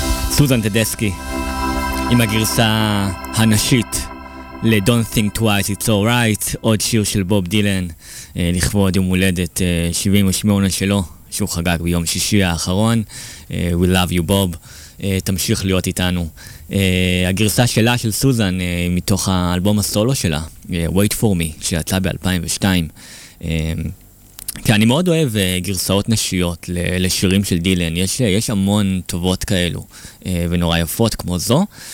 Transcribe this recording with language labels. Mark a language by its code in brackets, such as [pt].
[he] סוזן טדסקי עם הגרסה הנשית ל- Don't Think Twice, It's All Right, עוד שיר של בוב דילן לכבוד יום הולדת 78 שלו שהוא חגג ביום שישי האחרון. [en] We love you Bob, [he] תמשיך להיות איתנו. הגרסה שלה של סוזן מתוך האלבום הסולו שלה Wait For Me שיצא ב-2002, אני מאוד אוהב גרסאות נשיות לשירים של דילן. יש המון טובות כאלו ונורא יפות כמו זו.